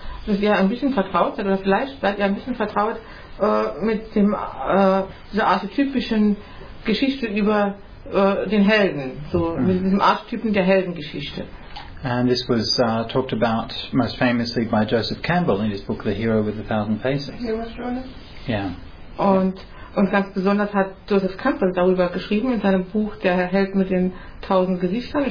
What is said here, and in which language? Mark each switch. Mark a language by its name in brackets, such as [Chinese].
[German] dass ihr ein bisschen vertraut seid, oder vielleicht seid ihr ein bisschen vertraut mit dem dieser archetypischen Geschichte über den Helden, so mit diesem Archetypen der Heldengeschichte. [English] And this was talked about most famously by Joseph Campbell in his book The Hero with a Thousand Faces. Yeah. [German] Und ganz besonders hat Joseph Campbell darüber geschrieben in seinem Buch Der Held mit den tausend Gesichtern.